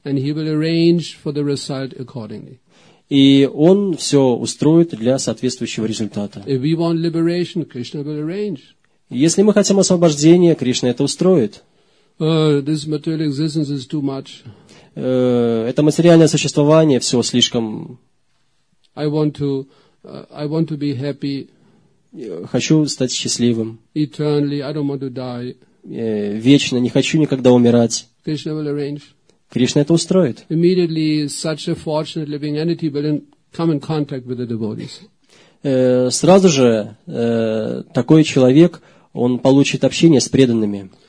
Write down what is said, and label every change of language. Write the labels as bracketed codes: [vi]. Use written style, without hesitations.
[en] And he will arrange for the result accordingly. [ru] И он все устроит для соответствующего результата. [en] If we want liberation, Krishna will arrange. [ru] Если мы хотим освобождения, Кришна это устроит. [en] This material existence is too much. [ru] Это материальное существование все слишком. [en] I want to be happy. [ru] Хочу стать счастливым. [en] Eternally, I don't want to die. [ru] Вечно, не хочу никогда умирать. [en] Krishna will arrange. [ru] Кришна это устроит. [en] Immediately, such a fortunate living entity will come in contact with the devotees. [ru] Сразу же такой человек, он получит общение с преданными.